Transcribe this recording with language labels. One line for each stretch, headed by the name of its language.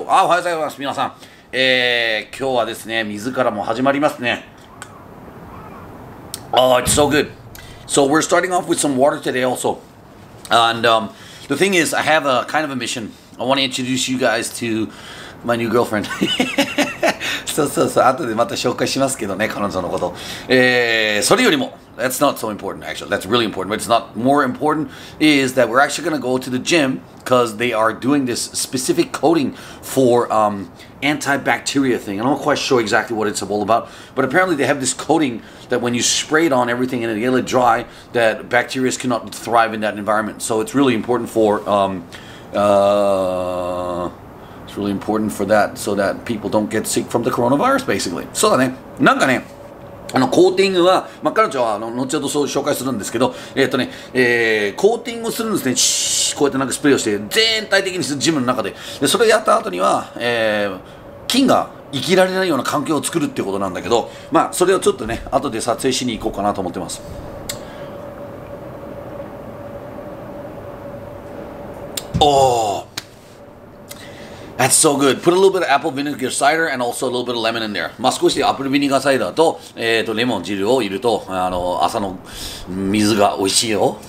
Japanese: おはようございます、皆さん。今日はですね、水からも始まりますね。
English: Oh, it's so good. So we're starting off with some water today also. And the thing is, I have a kind of a mission. I want to introduce you guys to my new girlfriend.
Japanese: そう、後でまた紹介しますけどね、彼女のこと。それよりも、
English: That's not so important, actually. That's really important, but it's not more important is that we're actually going to go to the gym because they are doing this specific coating for antibacteria thing. I'm not quite sure exactly what it's all about, but apparently they have this coating that when you spray it on everything and it'll get dry, that bacteria cannot thrive in that environment. So it's really important for... It's really important for that so that people don't get sick from the coronavirus, basically.
Japanese: そうだね。なんかね。あのコーティングは、まあ、彼女はあの後ほどそう紹介するんですけど、コーティングをするんですね。シーッ、こうやってなんかスプレーをして、全体的にジムの中で。で、それをやった後には、菌が生きられないような環境を作るっていうことなんだけど、まあ、それをちょっとね、後で撮影しに行こうかなと思ってます。
English: おー。That's so good. Put a little bit of apple vinegar cider and also a little bit of lemon in there.
Japanese: まあ少しアップルビネガーサイダーと、レモン汁を入れると、あの朝の水が美味しいよ。